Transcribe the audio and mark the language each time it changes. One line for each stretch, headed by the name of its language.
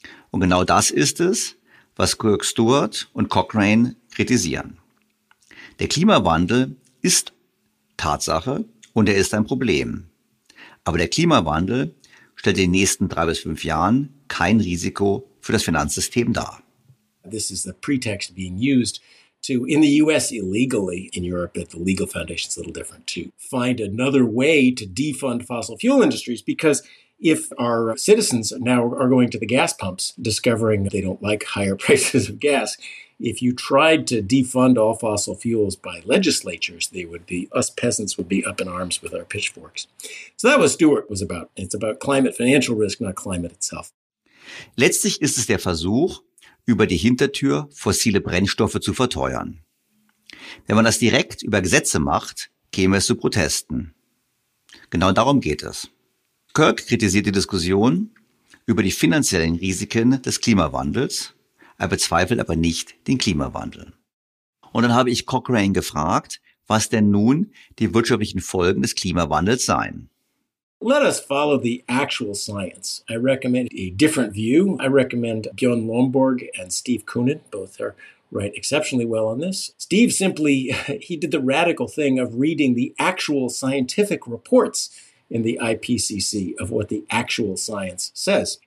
German: Und genau das ist es, was Kirk Stuart und Cochrane kritisieren. Der Klimawandel ist Tatsache und er ist ein Problem. Aber der Klimawandel stellt in den nächsten 3 bis 5 Jahren kein Risiko für das Finanzsystem dar.
English: This is the pretext being used to, in the US illegally, in Europe at the legal foundation it's a little different, to find another way to defund fossil fuel industries, because if our citizens now are going to the gas pumps, discovering they don't like higher prices of gas, if you tried to defund all fossil fuels by legislatures, they would be, us peasants would be up in arms with our pitchforks. So that was what Stuart was about. It's about climate financial risk, not climate itself.
German: Letztlich ist es der Versuch, über die Hintertür fossile Brennstoffe zu verteuern. Wenn man das direkt über Gesetze macht, käme es zu Protesten. Genau darum geht es. Kirk kritisiert die Diskussion über die finanziellen Risiken des Klimawandels. Er bezweifelt aber nicht den Klimawandel. Und dann habe ich Cochrane gefragt, was denn nun die wirtschaftlichen Folgen des Klimawandels seien.
English: Let us follow the actual science. I recommend a different view. I recommend Björn Lomborg and Steve Koonin. Both are right exceptionally well on this. Steve simply, he did the radical thing of reading the actual scientific reports in the IPCC of what the actual science says.